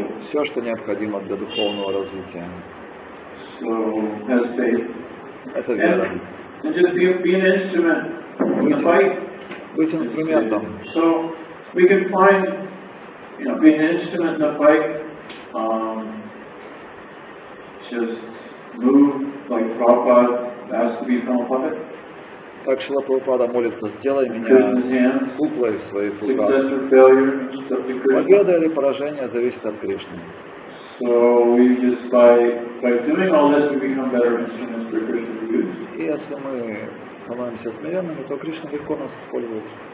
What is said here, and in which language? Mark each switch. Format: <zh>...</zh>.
<ru>Все, что необходимо для духовного развития. Это вера.</ru> <en>And just be an instrument in the fight.</en> <ru>Быть инструментом.</ru> <en>So we can find, you know, being an instrument in the fight, just move like Prabhupada asked to become a puppet.</en> <ru>Так Шрила Прабхупада молится, сделай меня куклой в своих руках. Победа или поражение зависит от Кришны.</ru> <en>So we just by doing all this we become better instruments for Krishna to use.</en> <ru>И если мы становимся смиренными, то Кришна легко нас использует.</ru>